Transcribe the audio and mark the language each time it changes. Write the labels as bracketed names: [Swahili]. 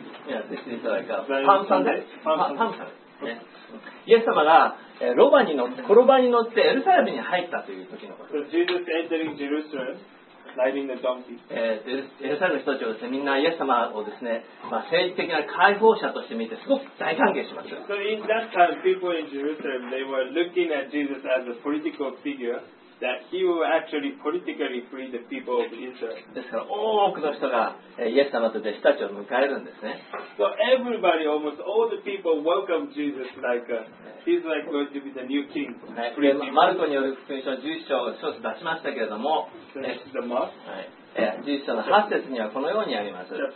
[English] Yeah, this is like a パンサン。 [Japanese] パンサン。イエス様がロバに乗って、転ばに乗ってエルサレムに入ったという時のこと。 [English] So Jesus entering Jerusalem, riding the donkey. [Japanese] エルサレムの人たちはですね、みんなイエス様をですね、まあ、政治的な解放者として見て、すごく大歓迎します。 [English] So in that time, people in Jerusalem, they were looking at Jesus as a political figure. That he will actually politically free the people of Israel. [Japanese] ですから多くの人がイエス様と弟子たちを迎えるんですね。 [English] So everybody, almost all the people welcome Jesus like he's like going to be the new king. [Japanese] マルコによる福音書11章を少し出しましたけれども、 11 章の8節にはこのようにあります。